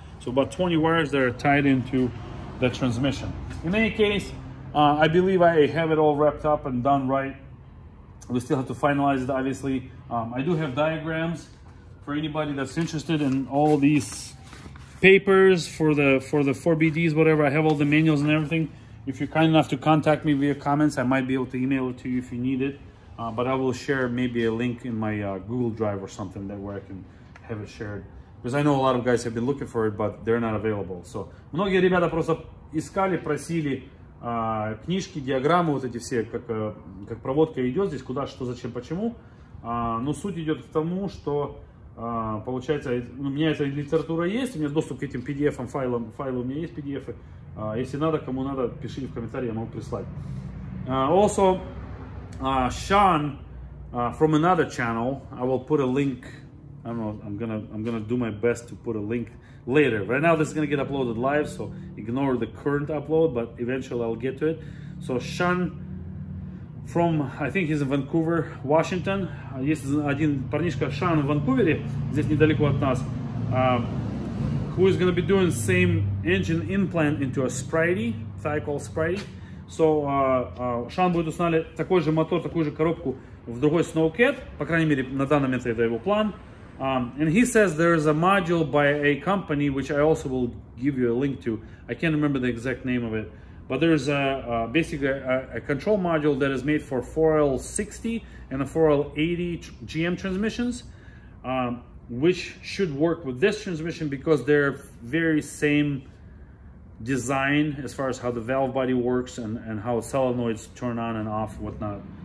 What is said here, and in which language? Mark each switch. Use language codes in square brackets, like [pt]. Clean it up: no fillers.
[en] So about 20 wires that are tied into the transmission. In any case, I believe I have it all wrapped up and done right. We still have to finalize it, obviously. I do have diagrams for anybody that's interested in all these papers for the 4BDs, whatever. I have all the manuals and everything. If you're kind enough to contact me via comments, I might be able to email it to you if you need it. But I will share maybe a link in my Google Drive or something that where I can have it shared. Because I know a lot of guys have been looking for it, but they're not available. [ru] So, многие ребята просто искали, просили книжки, диаграммы, вот эти все, как проводка идет здесь, куда, что, зачем, почему. Но суть идет к тому, что получается, у меня эта литература есть, у меня доступ к этим PDF-ам, файлы у меня есть, PDF-ы. Если надо, кому надо, пишите в комментарии, я могу прислать. [en] Also, Sean from another channel, I will put a link. I don't know, I'm gonna do my best to put a link later. Right now this is gonna get uploaded live, so ignore the current upload, but eventually I'll get to it. So Sean from, I think he's in Vancouver, Washington. [ru] Есть один парнишка Sean в Ванкувере, здесь недалеко от нас. [en] Who is gonna be doing the same engine implant into a Spritey, Thiokol Spritey. [ru] So Sean будет устанавливать такой же мотор, такую же коробку в другой Snowcat. По крайней мере, на данный момент это его план. [en] And he says there is a module by a company, which I also will give you a link to. I can't remember the exact name of it, but there's a control module that is made for 4L60 and a 4L80 GM transmissions, which should work with this transmission because they're very same design as far as how the valve body works and how solenoids turn on and off and whatnot.